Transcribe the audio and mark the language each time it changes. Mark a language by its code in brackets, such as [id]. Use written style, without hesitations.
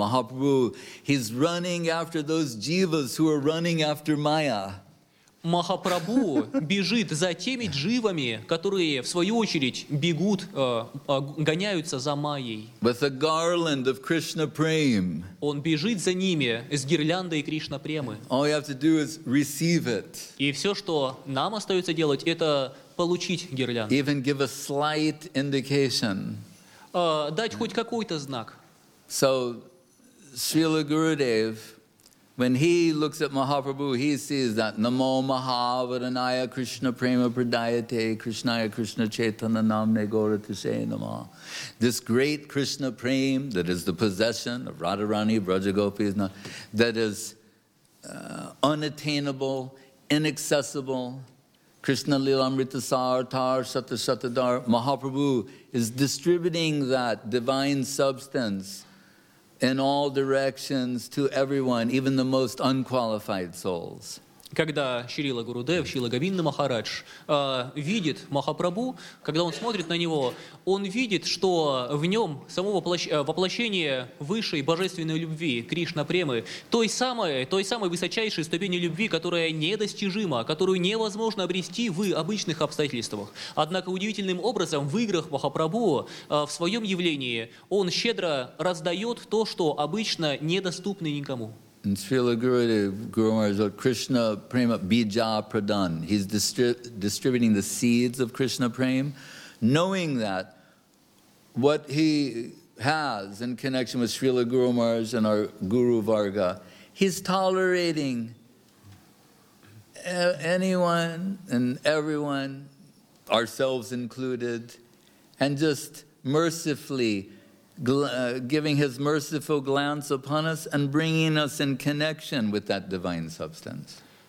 [en] Mahaprabhu, he's running after those jivas who are running after Maya. [ru] Махапрабху бежит за теми дживами, которые, в свою очередь, бегут, гоняются за Майей. [en] With a garland of Krishna Prem. [ru] Он бежит за ними с гирляндой Кришна Премы. [en] All you have to do is receive it. [ru] И все, что нам остается делать, это получить гирлянду. [en] Even give a slight indication. [ru] Дать хоть какой-то знак. [en] So, Srila Gurudev, when he looks at Mahaprabhu, he sees that [sa] Namo Mahavaranaya Krishna Prema Pradayate Krishnaya Krishna Chaitana Namne Gora Tushe Namah. [en] This great Krishna Prema that is the possession of Radharani, Vrajagopis, that is unattainable, inaccessible. [bn] Krishna Lilamrita Sar Tar Shata Shata Dar. [en] Mahaprabhu is distributing that divine substance in all directions to everyone, even the most unqualified souls. [ru] Когда Шрила Гурудев, Шрила Говинда Махарадж видит Махапрабху, когда он смотрит на него, он видит, что в нем само воплощение высшей божественной любви, Кришна Премы, той самой высочайшей ступени любви, которая недостижима, которую невозможно обрести в обычных обстоятельствах. Однако удивительным образом в играх Махапрабху, в своем явлении, он щедро раздает то, что обычно недоступно никому. [en] And Srila Gurudev, Guru Maharaj, Krishna Prema Bija Pradhan. He's distributing the seeds of Krishna Prema, knowing that what he has in connection with Srila Guru Maharaj and our Guru Varga, he's tolerating anyone and everyone, ourselves included, and just mercifully giving his merciful glance upon us and bringing us in connection with that divine substance.